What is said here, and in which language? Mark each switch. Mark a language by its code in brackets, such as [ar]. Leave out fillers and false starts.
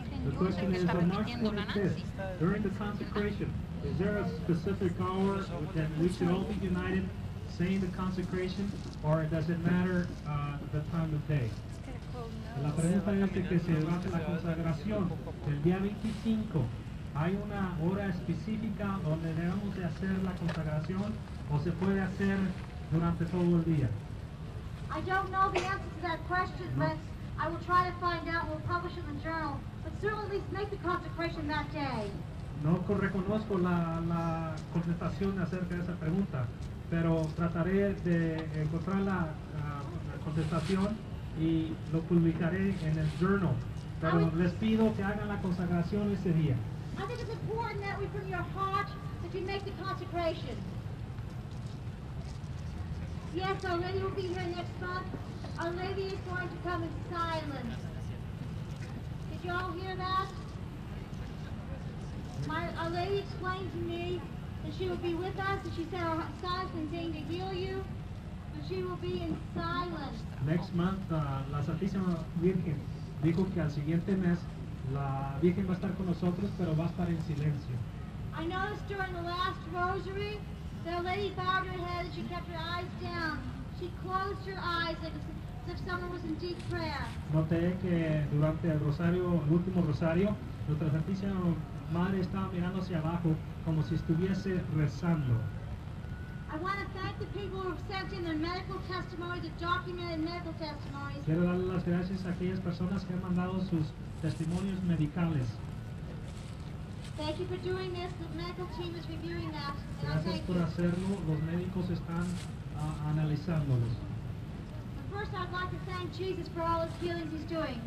[en] The question is, on March 25th, during the consecration, is there a specific hour that we should all be united saying the consecration, or does it matter the time of day? [es] La pregunta es que se durante la consagración, el día 25, ¿hay una hora específica donde debemos de hacer la consagración, o se puede hacer durante todo el día? [en] I don't know the answer to that question, but I will try to find out. We'll publish it in the journal, but certainly at least make the consecration that day. [es] No reconozco la contestación acerca de esa pregunta, pero trataré de encontrar la contestación y lo publicaré en el journal. Pero les pido que hagan la consagración ese día. [en] I think it's important that we from your heart that you make the consecration. Yes, Our Lady will be here next month. Our Lady is going to come in silence. Did you all hear that? Our Lady explained to me that she will be with us, and she said our signs contain to heal you, but she will be in silence. Next month, [es] la Santísima Virgen dijo que al siguiente mes la Virgen va a estar con nosotros, pero va a estar en silencio. [en] I noticed during the last rosary, the lady bowed her head and she kept her eyes down. She closed her eyes as if someone was in deep prayer. [es] Noté que durante el rosario, el último rosario, Nuestra Santísima Madre estaba mirando hacia abajo como si estuviese rezando. [en] I want to thank the people who have sent in their medical testimonies, their documented medical testimonies. [es] Quiero darle las gracias a aquellas personas que han mandado sus testimonios medicales. [en] Thank you for doing this. The medical team is reviewing that. [es] Gracias por hacerlo. Los médicos están analizándolos. [en] First, I'd like to thank Jesus for all his healings he's doing.